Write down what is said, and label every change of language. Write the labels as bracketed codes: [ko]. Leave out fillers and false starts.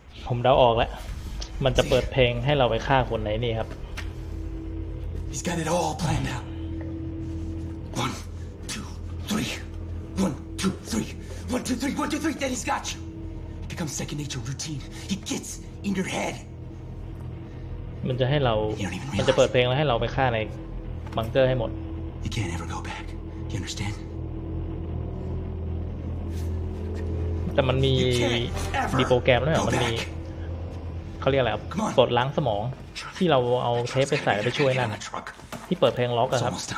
[th] ผมเดาออกแล้วมันจะเปิดเพลงให้เราไปฆ่าคนไหนนี่ครับ [en] He's got it all planned out 1 2 3 1 2 3 1 2 3 1 2 3 Then he's got you It becomes second nature routine He gets in your head [th] มันจะให้เรามันจะเปิดเพลงแล้วให้เราไปฆ่าในบังเกอร์ให้หมด [en] You can't ever go back You understand [th] แต่มันมีดีโปรแกรมด้วยอ่ะมันมีเขาเรียกอะไรครับปลดล้างสมองที่เราเอาเทปไปใส่ไปช่วยนั่นที่เปิดเพลงล็อกอะครับ